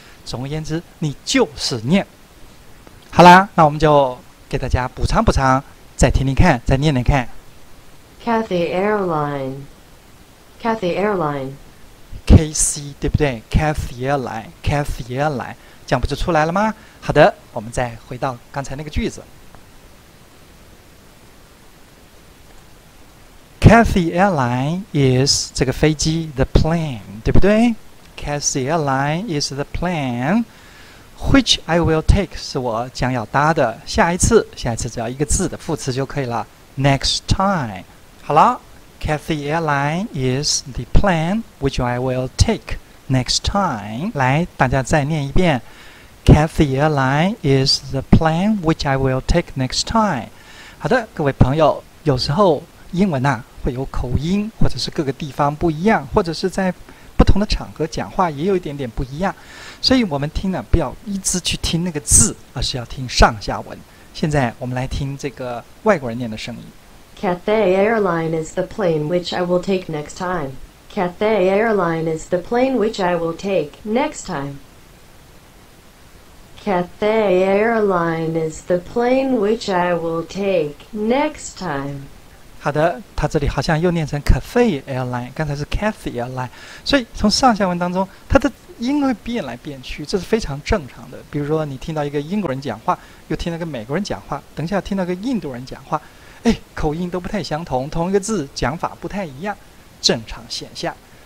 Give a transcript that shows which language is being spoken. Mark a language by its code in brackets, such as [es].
[zh] 总而言之，你就是念。好啦，那我们就给大家补偿补偿，再听听看，再念念看。 [en] Cathay Airline, Cathay Airline, [zh] KC 对不对 ？Cathay Airline, Cathay Airline， 这样不就出来了吗？好的，我们再回到刚才那个句子。 Cathay Airline is 这个飞机 the plane 对不对？ [en] Cathay Airline is the plane which I will take [zh] 是我将要搭的，下一次，下一次只要一个字的副词就可以了， [en] next time。 [zh] 好了， [en] Cathay Airline is the plane which I will take next time。 [zh] 来，大家再念一遍， [en] Cathay Airline is the plane which I will take next time。 [zh] 好的，各位朋友，有时候英文啊会有口音，或者是各个地方不一样，或者是在不同的场合讲话也有一点点不一样，所以我们听呢不要一直去听那个字，而是要听上下文。现在我们来听这个外国人念的声音。 [en] Cathay Airline is the plane which I will take next time. Cathay Airline is the plane which I will take next time. Cathay Airline is the plane which I will take next time. [zh] 好的，他这里好像又念成 Cathay Airline， 刚才是 Cathay Airline， 所以从上下文当中，他的音会变来变去，这是非常正常的。比如说，你听到一个英国人讲话，又听到一个美国人讲话，等一下听到一个印度人讲话，哎，口音都不太相同，同一个字讲法不太一样，正常现象。